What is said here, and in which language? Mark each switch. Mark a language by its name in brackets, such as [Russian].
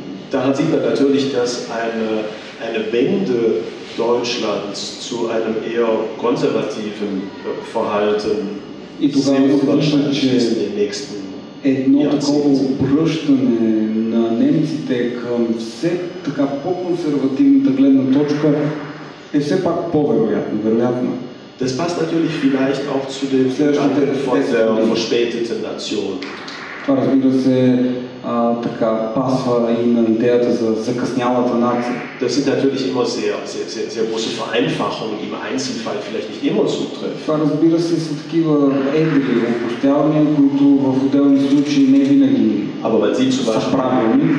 [German] Daran sieht man natürlich, dass eine Wende Deutschlands zu einem eher konservativen Verhalten in den nächsten [Bulgarian] едно такова обръщане на немците към все така по-консервативната гледна точка е все пак по-вероятно, вероятно. [German] Das passt natürlich vielleicht auch zu dem Standpunkt von der verspäteten Nation. [Bulgarian] Това, разбира се, така пасва и на идеята за закъснялата нация. [German] Das sind natürlich immer sehr große Vereinfachungen, die im Einzelfall vielleicht nicht immer zutreffen. [Bulgarian] Това, разбира се, са такива едри упростявания, които в отделни случаи не винаги са правилни.